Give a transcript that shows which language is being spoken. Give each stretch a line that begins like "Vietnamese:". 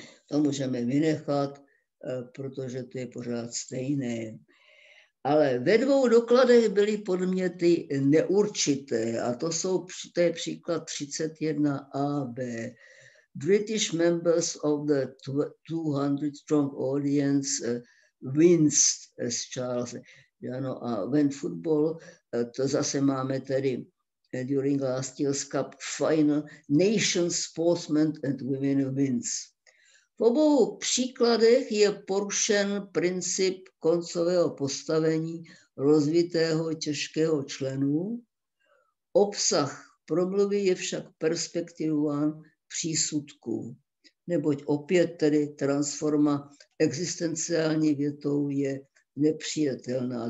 Czech: To můžeme vynechat, protože to je pořád stejné. Ale ve dvou dokladech byly podměty neurčité, a to jsou příklad 31AB.
English: British members of the 200 strong audience winced as Charles.
Czech: Ano, a
English: when football,
Czech: to zase máme tedy
English: during last year's cup final, nation sportsmen and women winced.
Czech: V obou příkladech je porušen princip koncového postavení rozvitého těžkého členu. Obsah promluvy je však perspektivován přísudků, neboť opět tedy transforma existenciální větou je nepřijatelná.